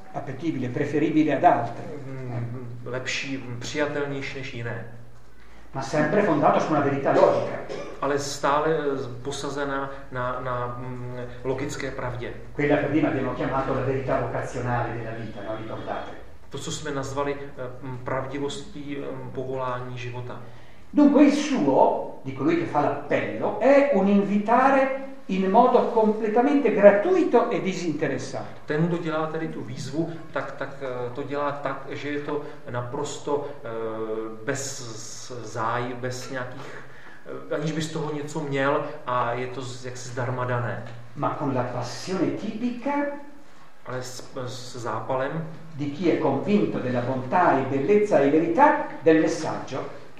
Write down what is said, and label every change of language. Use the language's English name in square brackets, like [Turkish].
[Italian] Appetibile, preferibile ad altre. [Czech] Lepší, přijatelnější než jiné. [Italian] Ma sempre fondato su una verità logica. [Czech] Ale stále posazená na logické pravdě. [Italian] Quella che prima abbiamo chiamato la verità vocazionale della vita, no? Ricordate. [Czech] To, co jsme nazvali pravdivostí povolání života. [Italian] Dunque il suo, di colui che fa l'appello, è un invitare in modo completamente gratuito e disinteressato. [Czech] Ten, kdo dělá tedy tu výzvu, tak to dělá tak, že je to naprosto bez zájmu, bez nějakých, aniž by z toho něco měl, a je to jaksi zdarma dané. [Italian] Ma con la passione tipica. [Czech] Ale s zápalem. [Italian] Di chi è convinto della bontà e bellezza e verità del messaggio.